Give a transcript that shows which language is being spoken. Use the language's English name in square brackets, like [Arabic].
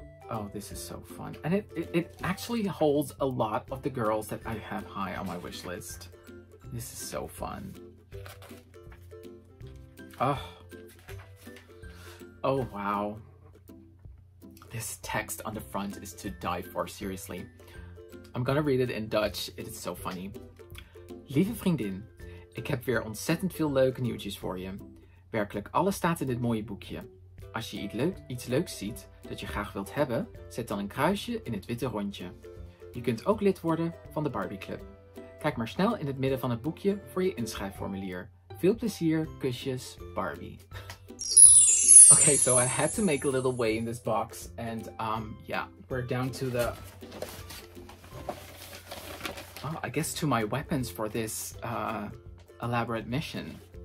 [English] Oh, this is so fun. And it actually holds a lot of the girls that I have high on my wish list. This is so fun. Oh. Oh, wow. This text on the front is to die for, seriously. I'm gonna read it in Dutch. It is so funny. [Dutch] Lieve vriendin, ik heb weer ontzettend veel leuke nieuwtjes voor je. Werkelijk alles staat in dit mooie boekje. Als je iets leuks ziet dat je graag wilt hebben, zet dan een kruisje in het witte rondje. Je kunt ook lid worden van de Barbie Club. Kijk maar snel in het midden van het boekje voor je inschrijfformulier. Veel plezier, kusjes, Barbie. [English] Okay, so I had to make a little way in this box and yeah, we're down to the... Oh, I guess to my weapons for this elaborate mission.